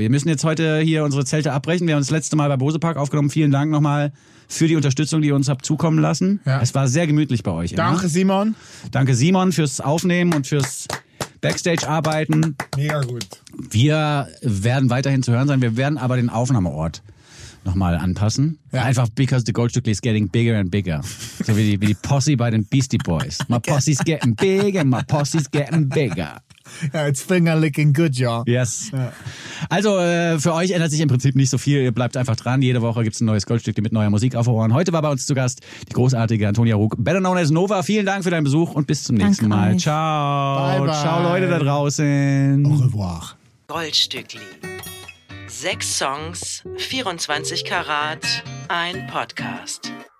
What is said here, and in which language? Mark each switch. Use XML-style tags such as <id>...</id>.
<de>Wir müssen jetzt heute hier unsere Zelte abbrechen. Wir haben das letzte Mal bei Bose Park aufgenommen. Vielen Dank nochmal für die Unterstützung, die ihr uns habt zukommen lassen. Ja. Es war sehr gemütlich bei euch. Danke, immer. Simon. Danke, Simon, fürs Aufnehmen und fürs Backstage-Arbeiten. Mega gut. Wir werden weiterhin zu hören sein. Wir werden aber den Aufnahmeort nochmal anpassen. Ja. Einfach</de> <en>because the Goldstückli is getting bigger and bigger.</en> <de>So wie die Posse bei den Beastie Boys.</de> <en>My posse's getting bigger, my posse's getting bigger. Yeah, it's finger licking good, y'all. Yes.</en> <de>Also, für euch ändert sich im Prinzip nicht so viel. Ihr bleibt einfach dran. Jede Woche gibt es ein neues Goldstück mit neuer Musik auf Ohren. Heute war bei uns zu Gast die großartige Antonia Ruck,</de> <en>better known as Nova.</en> <de>Vielen Dank für deinen Besuch und bis zum nächsten Mal.</de> <it>Ciao.</it> <en>Bye, bye.</en> <de>Ciao, Leute da draußen.</de> <fr>Au revoir.</fr> <de>Goldstückli. 6 Songs, 24 Karat, ein Podcast.</de>